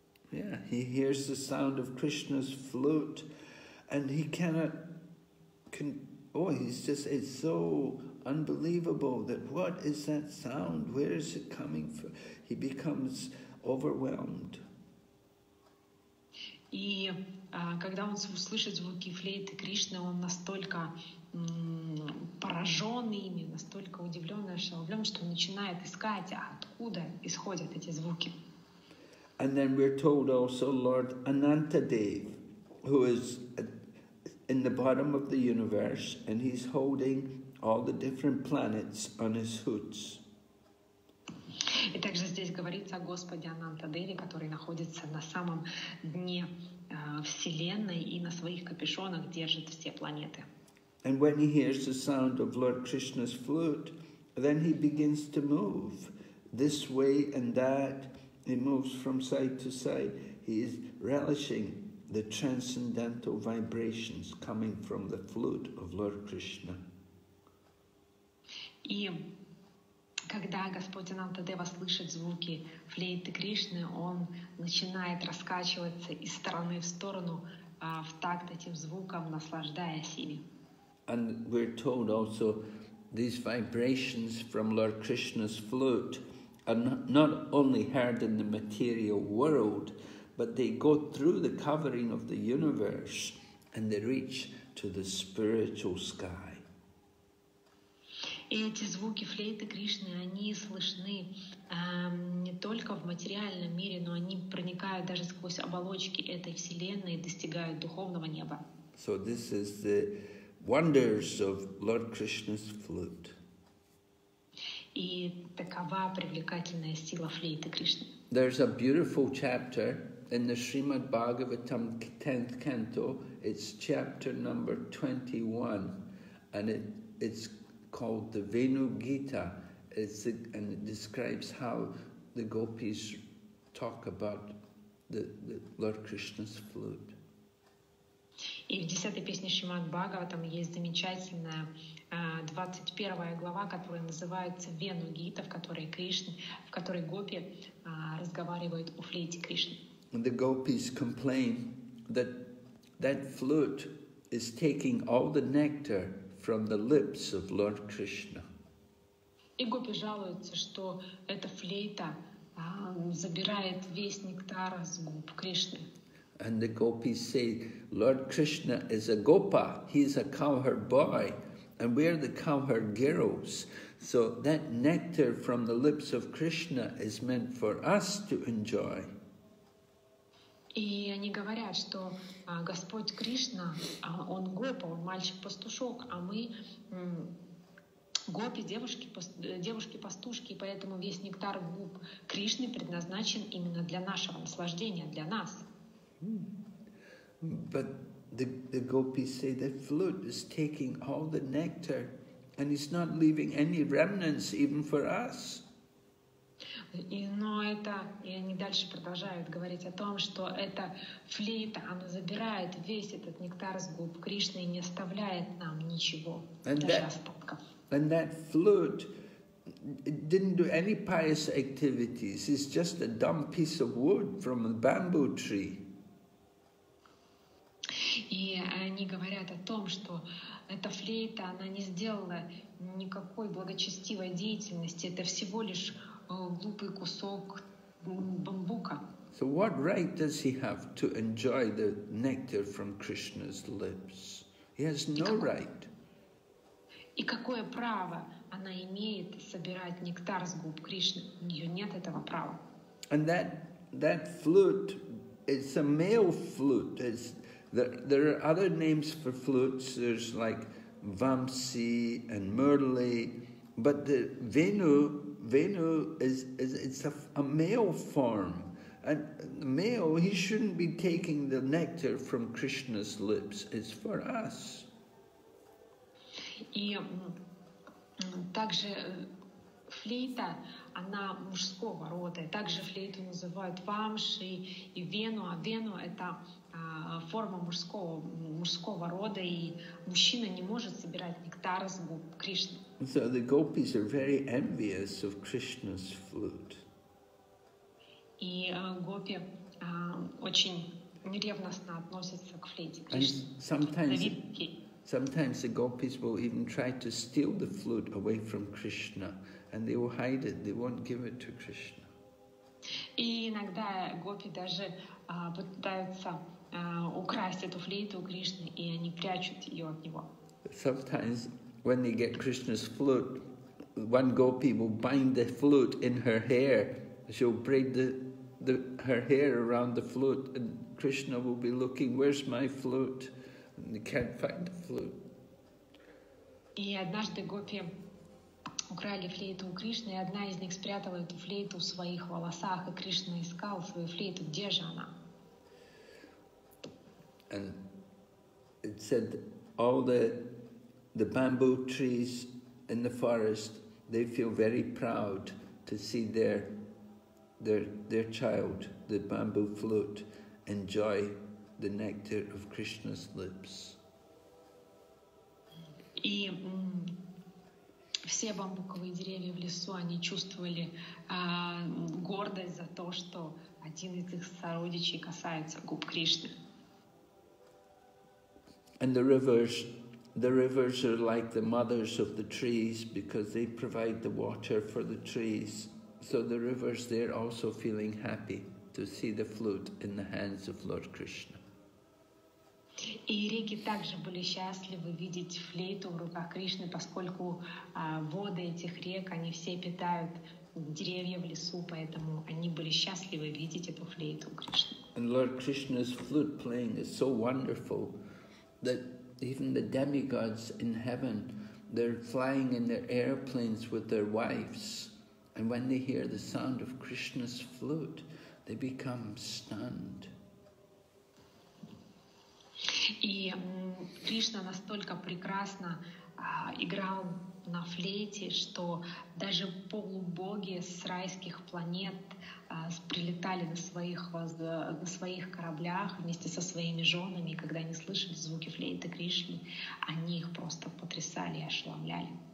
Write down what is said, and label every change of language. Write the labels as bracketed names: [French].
[English] Yeah, he hears the sound of Krishna's flute, and he cannot. It's so unbelievable that what is that sound? Where is it coming from? He becomes overwhelmed. [Russian] И когда он услышит звуки флейты Кришны, он настолько поражён ими, настолько удивлён и ошеломлён, что начинает искать, откуда исходят эти звуки. [English] And then we're told also Lord Anantadev, who is in the bottom of the universe, and he's holding all the different planets on his hoots. [Russian] И также здесь говорится о Господе Анантадеве, который находится на самом дне Вселенной и на своих капюшонах держит все планеты. [English] And when he hears the sound of Lord Krishna's flute, then he begins to move this way and that. He moves from side to side. He is relishing the transcendental vibrations coming from the flute of Lord Krishna. [Russian] И когда Господь Анантадева слышит звуки флейты Кришны, он начинает раскачиваться из стороны в сторону в такт этим звукам, наслаждаясь ими. [English] And we're told also these vibrations from Lord Krishna's flute are not only heard in the material world, but they go through the covering of the universe and they reach to the spiritual sky. [Russian] И эти звуки флейты Кришны, они слышны не только в материальном мире, но они проникают даже сквозь оболочки этой вселенной и достигают духовного неба. [English] So this is the wonders of Lord Krishna's flute. [Russian] И такова привлекательная сила флейты Кришны. [English] There's a beautiful chapter in the Srimad Bhagavatam 10th canto, it's chapter number 21, and it's called the Venu Gita. And it describes how the gopis talk about the Lord Krishna's flute. [Russian] И в 10-й песне Шримад Бхагаватам есть замечательная 21-я глава, которая называется Вену Гита, в которой гопи разговаривают о флейте Кришны. [English] The gopis complain that flute is taking all the nectar from the lips of Lord Krishna. [Russian] И гопи жалуются, что эта флейта забирает весь нектар с губ Кришны. [English] And the gopis say, Lord Krishna is a gopa, he's a cowherd boy, and we are the cowherd girls. So that nectar from the lips of Krishna is meant for us to enjoy. [Russian] И они говорят, что Господь Кришна, он гопа, он мальчик-пастушок, а мы гопи, девушки-пастушки, и поэтому весь нектар губ Кришны предназначен именно для нашего наслаждения, для нас. [English] But the gopis say the flute is taking all the nectar and it's not leaving any remnants even for us. [Russian] Но это, и они дальше продолжают говорить о том, что эта флейта, она забирает весь этот нектар с губ Кришны и не оставляет нам ничего, даже остатков. [English] And that flute, it didn't do any pious activities. It's just a dumb piece of wood from a bamboo tree. [Russian] И они говорят о том, что эта флейта, она не сделала никакой благочестивой деятельности. Это всего лишь глупый кусок бамбука. [English] So what right does he have to enjoy the nectar from Krishna's lips? He has no right. [Russian] И какое право она имеет собирать нектар с губ Кришны? У нее нет этого права. [English] And that flute, it's a male flute. There are other names for flutes, there's like Vamsi and Murli, but the Venu is a male form. And male, he shouldn't be taking the nectar from Krishna's lips, it's for us. [Russian] И также флейта, она мужского рода, также флейту называют Вамши и Вену, а Вену это форма мужского рода, и мужчина не может собирать нектар с губ Кришны. [English] So the gopis are very envious of Krishna's flute. [Russian] И гопи очень ревностно относятся к флейте Кришны. [English] Sometimes the gopis will even try to steal the flute away from Krishna, and they will hide it, they won't give it to Krishna. [Russian] И иногда гопи даже пытаются украсть эту флейту у Кришны, и они прячут ее от него. [English] Sometimes when they get Krishna's flute, one gopi will bind the flute in her hair. She'll braid her hair around the flute, and Krishna will be looking, where's my flute? And they can't find the flute. [Russian] И однажды гопи украли флейту у Кришны, и одна из них спрятала эту флейту в своих волосах, и Кришна искал свою флейту. Где же она? [English] And it said all the bamboo trees in the forest, they feel very proud to see their child, the bamboo flute, enjoy the nectar of Krishna's lips. [Russian] И все бамбуковые деревья в лесу, они чувствовали гордость за то, что один из их сородичей касается губ Кришны. [English] And the rivers are like the mothers of the trees because they provide the water for the trees. So the rivers, they're also feeling happy to see the flute in the hands of Lord Krishna. [Russian] И реки также были счастливы видеть флейту в руках Кришны, поскольку воды этих рек, они все питают деревья в лесу, поэтому они были счастливы видеть эту флейту у Кришны. [English] And Lord Krishna's flute playing is so wonderful that even the demigods in heaven, they're flying in their airplanes with their wives. And when they hear the sound of Krishna's flute, They become stunned. [Russian] И Кришна настолько прекрасно играл на флейте, что даже полубоги с райских планет прилетали на своих кораблях вместе со своими женами, и когда они слышали звуки флейты Кришны, они их просто потрясали и ошеломляли.